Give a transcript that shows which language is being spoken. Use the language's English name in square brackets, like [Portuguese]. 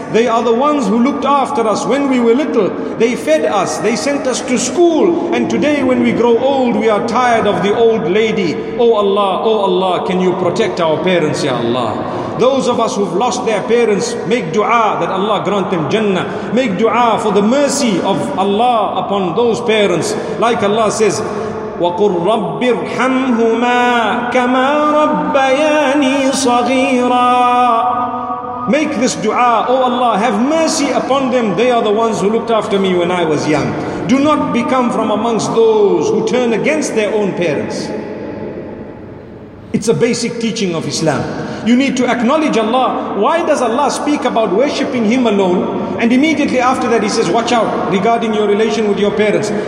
[English] They are the ones who looked after us when we were little. They fed us. They sent us to school. And today when we grow old, we are tired of the old lady. Oh Allah, can you protect our parents, Ya Allah? Those of us who've lost their parents, make dua that Allah grant them Jannah. Make dua for the mercy of Allah upon those parents. Like Allah says, [Arabic] وَقُلْ رَبِّ ارْحَمْهُمَا كَمَا رَبَّيَانِي صَغِيرًا. [English] Make this dua. Oh Allah, have mercy upon them. They are the ones who looked after me when I was young. Do not become from amongst those who turn against their own parents. It's a basic teaching of Islam. You need to acknowledge Allah. Why does Allah speak about worshipping Him alone? And immediately after that, He says, watch out regarding your relation with your parents.